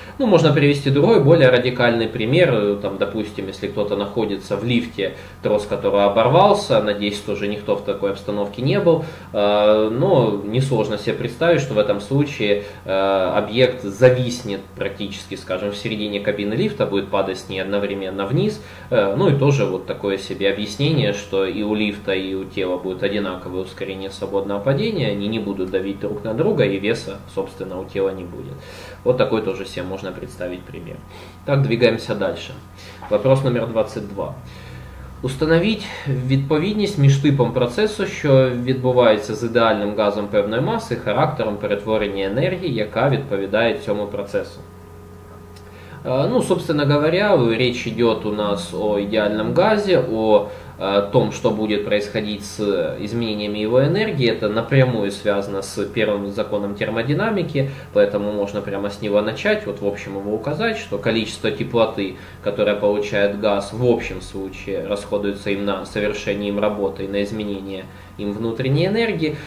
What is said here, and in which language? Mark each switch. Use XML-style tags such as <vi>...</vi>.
<ru>Ну, можно привести другой, более радикальный пример. Там, допустим, если кто-то находится в лифте, трос которого оборвался, надеюсь, тоже никто в такой обстановке не был, но несложно себе представить, что в этом случае объект зависнет практически, скажем, в середине кабины лифта, будет падать с ней одновременно вниз. Ну, и тоже вот такое себе объяснение, что и у лифта, и у тела будет одинаковое ускорение свободного падения, они не будут давить друг на друга, и веса, собственно, у тела не будет. Вот такой тоже себе можно представить пример. Так, двигаемся дальше. Вопрос номер 22.</ru> <uk>Установить відповідність між типом процесу, що відбувається з ідеальним газом певної маси, характером перетворення енергії, яка відповідає цьому процесу.</uk> <ru>Ну, собственно говоря, речь идет у нас о идеальном газе, о том, что будет происходить с изменениями его энергии. Это напрямую связано с первым законом термодинамики, поэтому можно прямо с него начать, вот в общем его указать, что количество теплоты, которое получает газ, в общем случае расходуется им на совершение им работы и на изменение им внутренней энергии.</ru>